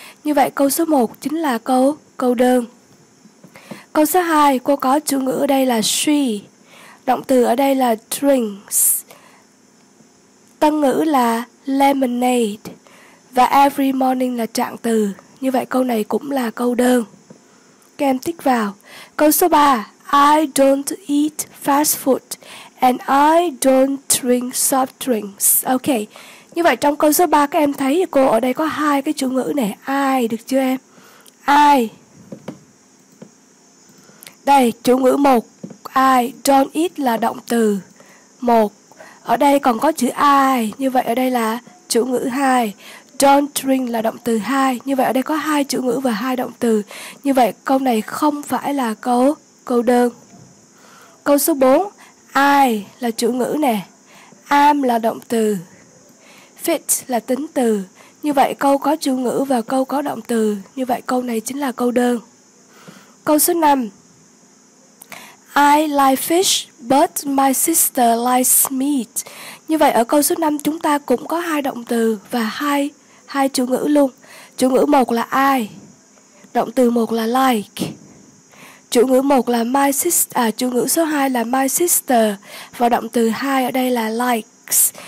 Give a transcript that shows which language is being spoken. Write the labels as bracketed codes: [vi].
[vi] Như vậy câu số 1 chính là câu đơn. Câu số 2 cô có chủ ngữ ở đây là she. Động từ ở đây là drinks. Tân ngữ là lemonade. Và every morning là trạng từ. Như vậy câu này cũng là câu đơn. Các em tích vào. Câu số 3. [en] I don't eat fast food and I don't drink soft drinks. Ok. [vi] Như vậy trong câu số 3 các em thấy cô ở đây có hai cái chủ ngữ này. I được chưa em? I. Đây, chủ ngữ 1. I. Don't eat là động từ 1. Ở đây còn có chữ I. Như vậy ở đây là chủ ngữ 2. Don't drink là động từ 2. Như vậy ở đây có 2 chữ ngữ và 2 động từ. Như vậy câu này không phải là câu đơn. Câu số 4. I là chủ ngữ nè. Am là động từ. Fit là tính từ. Như vậy câu có chủ ngữ và câu có động từ. Như vậy câu này chính là câu đơn. Câu số 5. [en] I like fish, but my sister likes meat. [vi] Như vậy ở câu số 5 chúng ta cũng có 2 động từ và 2 chủ ngữ luôn. Chủ ngữ 1 là I. Động từ 1 là like. Chủ ngữ 1 là my sister, chủ ngữ số 2 là my sister và động từ 2 ở đây là likes.